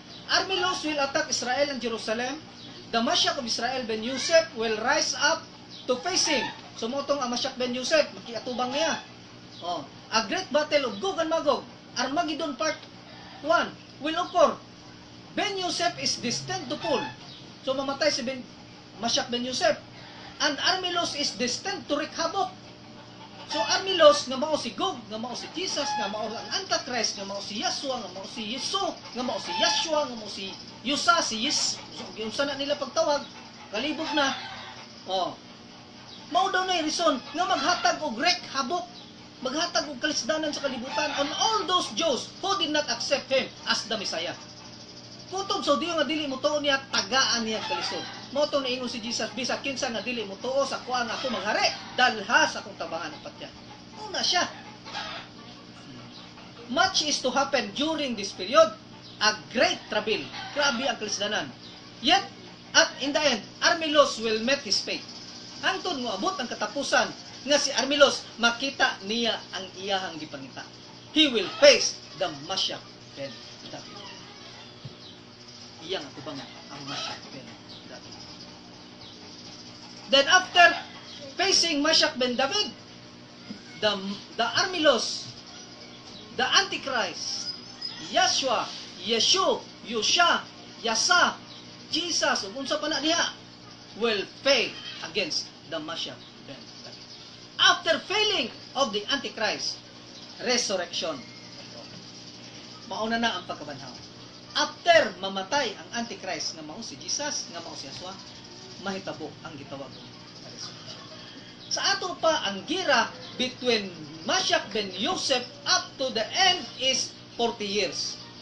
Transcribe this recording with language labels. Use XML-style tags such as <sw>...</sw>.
<en>Army laws will attack Israel and Jerusalem. The Mashiach of Israel ben Yosef will rise up to face him.</en> <ceb>Sumutong ang Mashiach ben Yosef, magkiatubang niya.</ceb> <en>Oh, a great battle of Gog and Magog, Armageddon part 1, will occur. Ben Yosef is destined to fall.</en> <ceb>So mamatay si Mashiach ben Yosef.</ceb> <en>And Armilos is destined to wreak havoc.</en> <ceb>So Armilos, nga mao si Gog, nga mao si Jesus, nga mao ang Antichrist, nga mao si Yeshua, nga mao si Yesu, nga mao si Yeshua, nga mao si Yusa, si Yis, yung sana nila pagtawag, kalibog na. Oh. Mao daw na yung reason nga maghatag og wreak havoc, maghatag og kalisdanan sa kalibutan</ceb> <en>on all those Jews who did not accept him as the Messiah.</en> <ceb>Kutob sa Diyo nga dili mo tuon niya, tagaan niya kalisod. Mao to na ingon si Jesus, bisa kinsa nga dili mo tuon sa kuha nga ako maghari, dalha sa akong tabangan ang patyan. Una siya.</ceb> <en>Much is to happen during this period. A great trouble.</en> <ceb>Grabe ang kalisdanan.</ceb> <en>Yet, at in the end, Armilos will meet his fate.</en> <ceb>Hangtod mo abot ang katapusan nga si Armilos, makita niya ang iyahang gipangita.</ceb> <en>He will face the Mashiach ben David.</en> <ceb>Iyang atubangan ang Mashiach ben David.</ceb> <en>Then after facing Mashiach ben David, the Armilos, the Antichrist, Yeshua, Yeshua, Yusha, Yasa, Jesus,</en> <ceb>kung sa pana niya,</ceb> <en>will fail against the Mashiach ben David. After failing of the Antichrist, resurrection.</en> <ceb>Mauna na ang pagkabanhaw.</ceb> <en>After</en> <ceb>mamatay ang Antichrist, nga mao si Jesus, nga mao si Yeshua, mahitabo ang gitawag ng resurrection. Sa ato pa, ang gira between Mashiach ben Yosef up to the end is 40 years.</ceb>